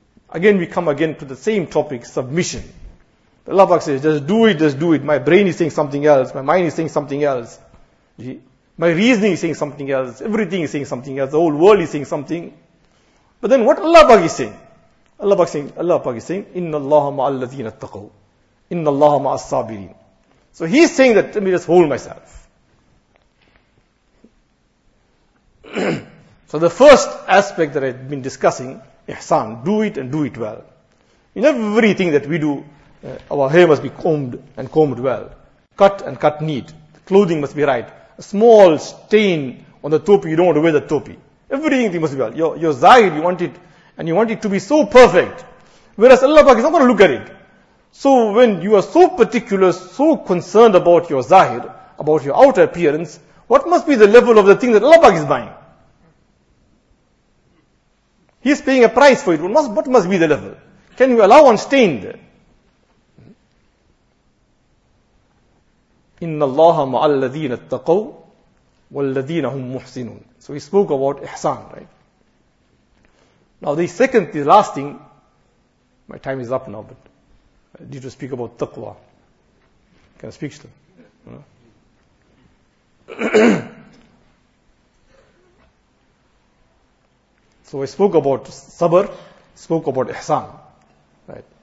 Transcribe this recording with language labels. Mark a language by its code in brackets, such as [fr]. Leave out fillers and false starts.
[en] Again, we come again to the same topic, submission. Allah Pak says, just do it. My brain is saying something else. My mind is saying something else. My reasoning is saying something else. Everything is saying something else. The whole world is saying something. But then what Allah Pak is saying? Allah Pak is saying, [ar] إِنَّ اللَّهَ مَعَ الَّذِينَ اتَّقَوْا إِنَّ اللَّهَ مَعَ الصَّابِرِينَ. [en] So He's saying that, let me just hold myself. So the first aspect that I've been discussing, ihsan, do it and do it well. In everything that we do, our hair must be combed and combed well. Cut and cut neat. The clothing must be right. A small stain on the topi, you don't want to wear the topi. Everything must be well. Your zahir, you want it, and you want it to be so perfect. Whereas Allah Pak is not going to look at it. So when you are so particular, so concerned about your zahir, about your outer appearance, what must be the level of the thing that Allah Pak is buying? He's paying a price for it. What must be the level? Can you allow one stain there? [ar] إِنَّ اللَّهَ مَعَ الَّذِينَ اتَّقَوْا وَالَّذِينَ هُمْ مُحْسِنُونَ [en] So he spoke about ihsan, right? Now the second, the last thing, my time is up now, but I need to speak about taqwa. Can I speak still? No? So I spoke about sabr, spoke about ihsan, right?